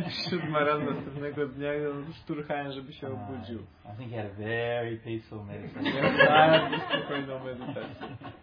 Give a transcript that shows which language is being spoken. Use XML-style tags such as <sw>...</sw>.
<pl>7 rano następnego dnia szturchałem, żeby się obudził.</pl> <en>I think he had a very peaceful meditation.</en> <pl>Ja bardzo spokojną medytację.</pl>